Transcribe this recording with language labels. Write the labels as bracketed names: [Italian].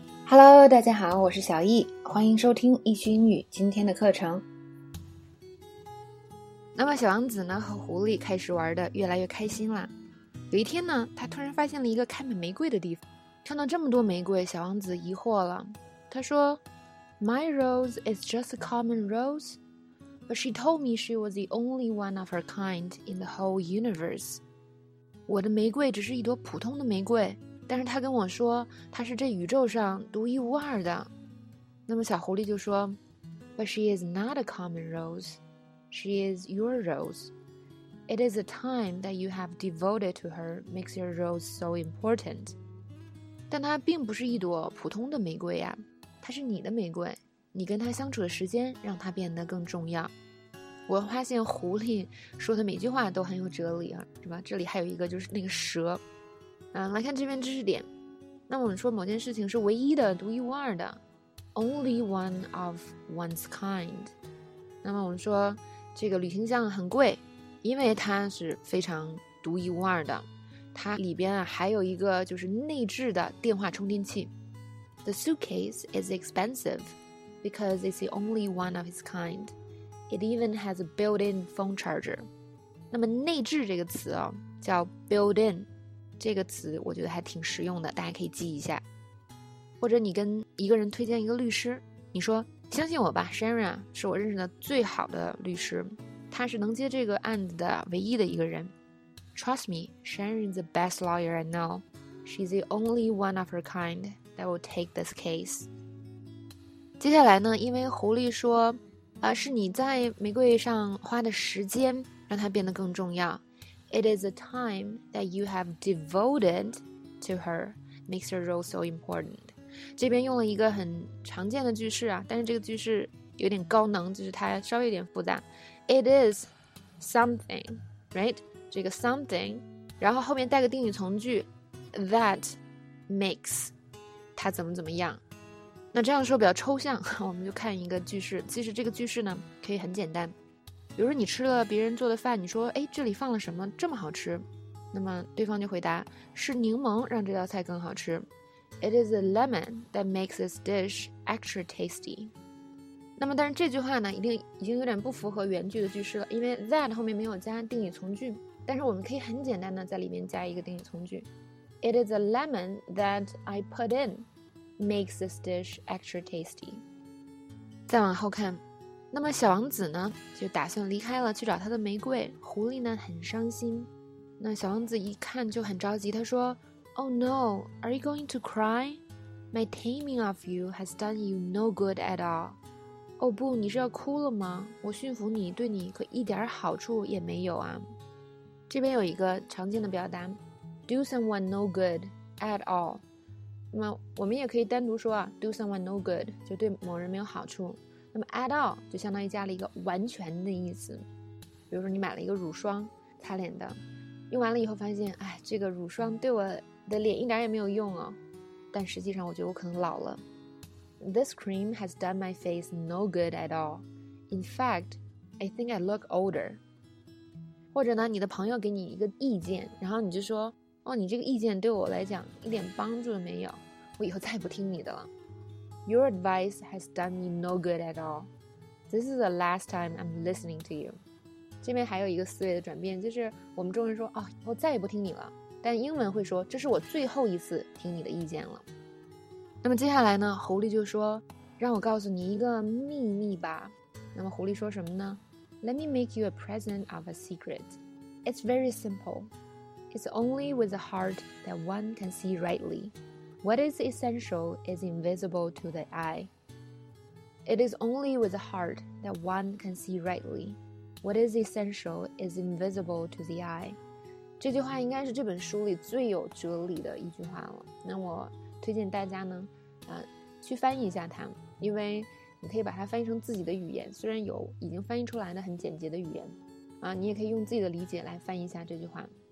[Chinese] Hello， 大家好，我是小易，欢迎收听易趣英语今天的课程。那么小王子呢和狐狸开始玩的越来越开心了。有一天呢，他突然发现了一个开满玫瑰的地方，看到这么多玫瑰，小王子疑惑了。他说 [English] My rose is just a common rose, but she told me she was the only one of her kind in the whole universe. [Chinese] 我的玫瑰只是一朵普通的玫瑰，但是他跟我说他是这宇宙上独一无二的。那么小狐狸就说 [English] But she is not a common rose. She is your rose. It is the time that you have devoted to her makes your rose so important. [Chinese] 但她并不是一朵普通的玫瑰呀，她是你的玫瑰，你跟她相处的时间让她变得更重要。我发现狐狸说的每句话都很有哲理啊，是吧？这里还有一个就是那个蛇。来看这篇知识点。那我们说某件事情是唯一的，独一无二的， [English] Only one of one's kind。 [Chinese] 那么我们说这个旅行箱很贵，因为它是非常独一无二的，它里边还有一个就是内置的电话充电器。 [English] The suitcase is expensive because it's the only one of its kind. It even has a built-in phone charger. [Chinese] 那么内置这个词哦，叫 built-in，这个词我觉得还挺实用的，大家可以记一下。或者你跟一个人推荐一个律师，你说相信我吧， Sharon 是我认识的最好的律师，他是能接这个案子的唯一的一个人。 [English] Trust me, Sharon's the best lawyer I know. She's the only one of her kind that will take this case. [Chinese] 接下来呢，因为狐狸说是你在玫瑰上花的时间让它变得更重要， [English] It is the time that you have devoted to her makes her role so important. [Chinese] 这边用了一个很常见的句式啊，但是这个句式有点高能，就是它稍微有点复杂。 [English] It is something, right? [Chinese] 这个 something, 然后后面带个定语从句 [English] that makes [Chinese] 它怎么怎么样。那这样说比较抽象，我们就看一个句式。其实这个句式呢，可以很简单。比如说你吃了别人做的饭，你说哎，这里放了什么这么好吃，那么对方就回答是柠檬让这道菜更好吃。 [English] It is a lemon that makes this dish extra tasty. [Chinese] 那么但是这句话呢一定已经有点不符合原句的句式了，因为 that 后面没有加定语从句，但是我们可以很简单的在里面加一个定语从句。 [English] It is a lemon that I put in makes this dish extra tasty. [Chinese] 再往后看，那么小王子呢就打算离开了，去找他的玫瑰。狐狸呢很伤心，那小王子一看就很着急，他说 [English] Oh no, are you going to cry? My taming of you has done you no good at all. [Chinese] 哦不，你是要哭了吗？我驯服你对你可一点好处也没有啊。这边有一个常见的表达 [English] Do someone no good at all. [Chinese] 那么我们也可以单独说啊 [English] Do someone no good [Chinese] 就对某人没有好处，那么 [English] at all [Chinese] 就相当于加了一个完全的意思。比如说你买了一个乳霜擦脸的，用完了以后发现哎，这个乳霜对我的脸一点也没有用哦，但实际上我觉得我可能老了。 [English] This cream has done my face no good at all. In fact, I think I look older. [Chinese] 或者呢你的朋友给你一个意见，然后你就说哦，你这个意见对我来讲一点帮助都没有，我以后再也不听你的了。 [English] Your advice has done me no good at all. This is the last time I'm listening to you. [Chinese] 这边还有一个思维的转变，就是我们中文说哦，我再也不听你了，但英文会说这是我最后一次听你的意见了。那么接下来呢，狐狸就说让我告诉你一个秘密吧。那么狐狸说什么呢？ [English] Let me make you a present of a secret. It's very simple. It's only with a heart that one can see rightly. What is essential is invisible to the eye. It is only with a heart that one can see rightly. What is essential is invisible to the eye. [Chinese] 这句话应该是这本书里最有哲理的一句话了。那我推荐大家呢，去翻译一下它，因为你可以把它翻译成自己的语言，虽然有已经翻译出来的很简洁的语言，你也可以用自己的理解来翻译一下这句话。